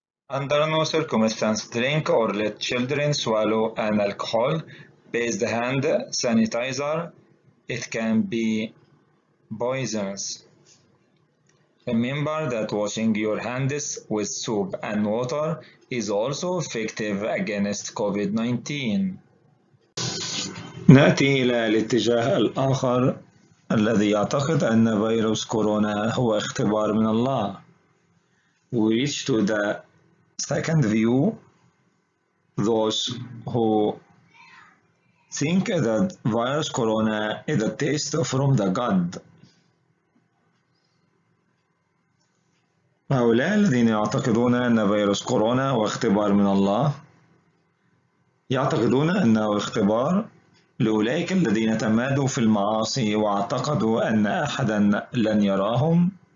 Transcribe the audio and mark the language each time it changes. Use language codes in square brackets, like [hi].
[en] Under no circumstance drink or let children swallow an alcohol-based hand sanitizer. It can be poisonous. Remember that washing your hands with soap and water is also effective against COVID-19. [ar] نأتي إلى الاتجاه الآخر الذي يعتقد أن فيروس كورونا هو اختبار من الله. [en] We reach to the second view, those who think that virus corona is a test from the God. [ar] هؤلاء الذين يعتقدون أن فيروس كورونا هو اختبار من الله يعتقدون أنه اختبار لأولئك الذين تمادوا في المعاصي واعتقدوا أن أحدا لن يراهم